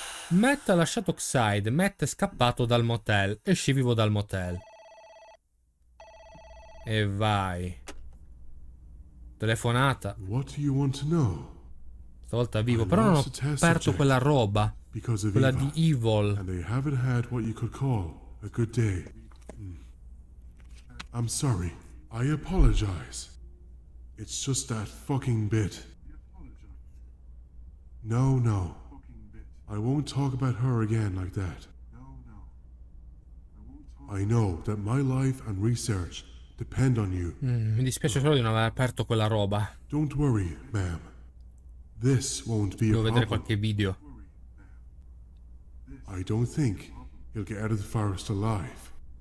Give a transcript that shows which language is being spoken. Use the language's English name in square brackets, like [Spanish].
[Italian] Matt ha lasciato Xide, Matt è scappato dal motel, esci vivo dal motel. E vai. Telefonata. [English] What do you want to know? [Italian] Stavolta vivo, però non ho aperto quella roba. Quella di Evil. [English] And they haven't had what you could call a good day. I'm sorry, I apologize. It's just that fucking bit. No, no. I won't talk about her again like that. I know that my life and research depend on you. [Italian] Mi dispiace solo di non aver aperto quella roba. [English] Don't worry, ma'am. This won't be a problem. [Italian] Devo vedere qualche video. [English] I don't think he'll get out of the forest alive.